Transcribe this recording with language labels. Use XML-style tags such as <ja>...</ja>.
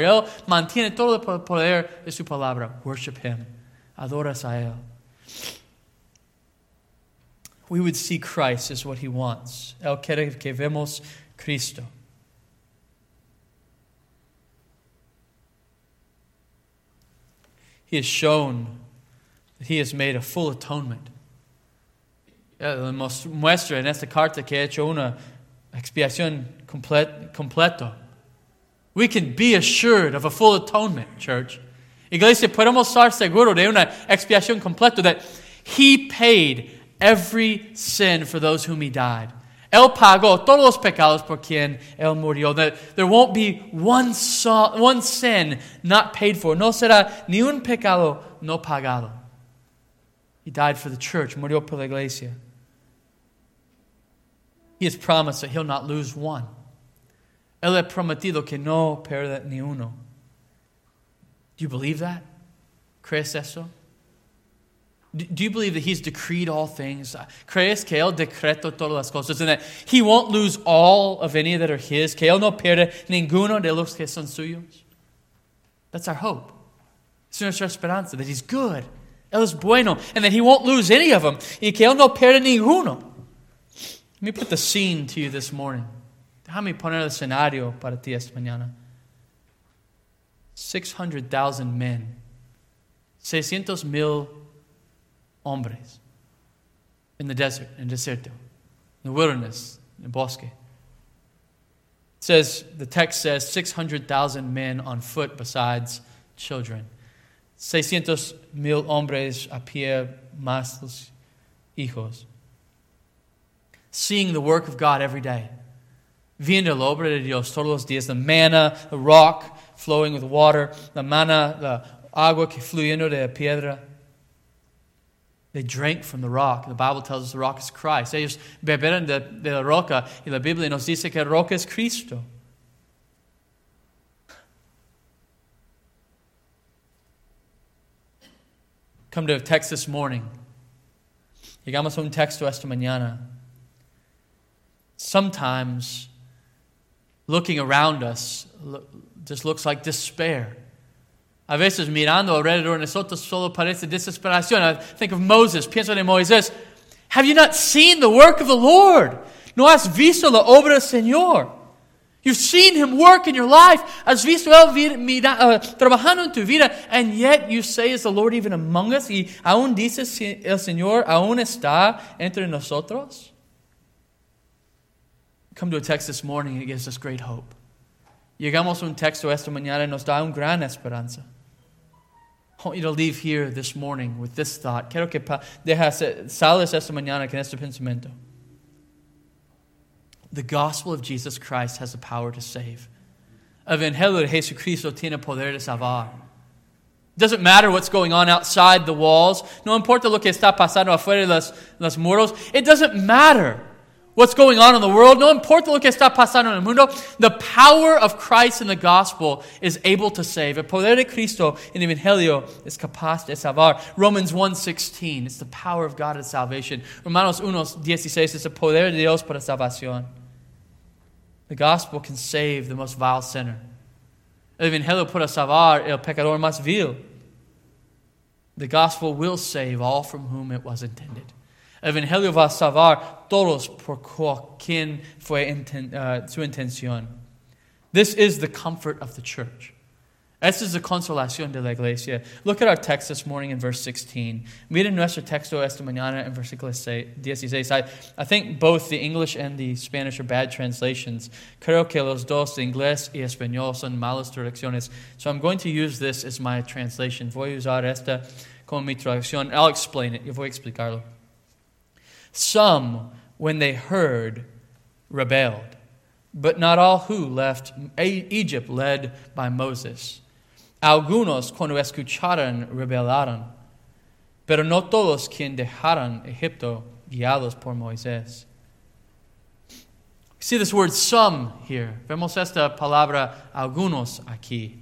<es>Él mantiene todo el poder de su palabra.</es> <en>Worship him.</en> <es>Adoras a él.</es> <en>We would see Christ as what he wants.</en> <es>Él quiere que vemos Cristo.</es> <en>He has shown that he has made a full atonement.</en> <es>Muestra en esta carta que ha hecho una expiación completo.</es> <en>We can be assured of a full atonement, church.</en> <es>Iglesia, podemos estar seguros de una expiación completo,</es> <en>that he paid every sin for those whom he died.</en> <es>Él pagó todos los pecados por quien él murió.</es> <en>There won't be one sin not paid for.</en> <es>No será ni un pecado no pagado.</es> <en>He died for the church,</en> <es>murió por la iglesia.</es> <en>He has promised that he'll not lose one.</en> <es>Él ha prometido que no perderá ni uno.</es> <en>Do you believe that?</en> <es>¿Crees eso?</es> <en>Do you believe that he's decreed all things?</en> <es>¿Crees que él decretó todas las cosas?</es> <en>And that he won't lose all of any that are his?</en> <es>¿Que él no pierde ninguno de los que son suyos?</es> <en>That's our hope.</en> <es>Es nuestra esperanza,</es> <en>that he's good.</en> <es>Él es bueno.</es> <en>And that he won't lose any of them.</en> <es>Y que él no pierde ninguno.</es> <en>Let me put the scene to you this morning.</en> <es>Déjame poner el escenario para ti esta mañana.</es> <en>600,000 men.</en> <es>600,000 hombres.</es> <en>In the desert, in the desierto. In the wilderness, in the bosque. The text says 600,000 men on foot besides children.</en> <es>600,000 hombres a pie más los hijos.</es> <en>Seeing the work of God every day.</en> <es>Viendo la obra de Dios todos los días.</es> <en>The manna, the rock flowing with water.</en> <es>La manna, la agua que fluyendo de piedra.</es> <en>They drank from the rock. The Bible tells us the rock is Christ.</en> <es>Ellos beberon de la roca. Y la Biblia nos dice que la roca es Cristo.</es> <en>Come to a text this morning.</en> <es>Llegamos a un texto esta mañana.</es> <en>Sometimes, looking around us just looks like despair.</en> <es>A veces mirando alrededor nosotros solo parece desesperación.</es> <en>I think of Moses.</en> <es>Pienso en Moisés.</es> <en>Have you not seen the work of the Lord?</en> <es>¿No has visto la obra del Señor?</es> <en>You've seen him work in your life.</en> <es>Has visto él trabajando en tu vida.</es> <en>And yet you say, is the Lord even among us?</en> <es>Y aún dices, el Señor aún está entre nosotros?</es> <en>Come to a text this morning and it gives us great hope.</en> <es>Llegamos a un texto esta mañana y nos da un gran esperanza.</es> <en>I want you to leave here this morning with this thought.</en> <es>Quiero que sales esta mañana con este pensamiento.</es> <en>The gospel of Jesus Christ has the power to save.</en> <es>Evangelio de Jesucristo tiene poder de salvar.</es> <en>Doesn't matter what's going on outside the walls.</en> <es>No importa lo que está pasando afuera de los muros.</es> <en>It doesn't matter. What's going on in the world?</en> <es>No importa lo que está pasando en el mundo.</es> <en>The power of Christ in the gospel is able to save.</en> <es>El poder de Cristo en el Evangelio es capaz de salvar.</es> <en>Romans 1:16. It's the power of God at salvation.</en> <es>Romanos 1:16.</es> <en>It's the</en> <es>poder de Dios para salvación.</es> <en>The gospel can save the most vile sinner.</en> <es>El Evangelio puede salvar el pecador más vil.</es> <en>The gospel will save all from whom it was intended.</en> <es>Evangelio va a salvar todos por quien fue su intención.</es> <en>This is the comfort of the church.</en> <es>Esta es la consolación de la iglesia.</es> <en>Look at our text this morning in verse 16.</en> <es>Miren nuestro texto esta mañana en versículo 16.</es> <en>I think both the English and the Spanish are bad translations.</en> <es>Creo que los dos, inglés y español, son malas traducciones.</es> <en>So I'm going to use this as my translation.</en> <es>Voy a usar esta como mi traducción.</es> <en>I'll explain it.</en> <es>Yo voy a explicarlo.</es> <en>Some, when they heard, rebelled, but not all who left Egypt led by Moses.</en> <es>Algunos, cuando escucharon, rebelaron, pero no todos quien dejaron Egipto guiados por Moisés.</es> <en>See this word some here.</en> <es>Vemos esta palabra algunos aquí.</es>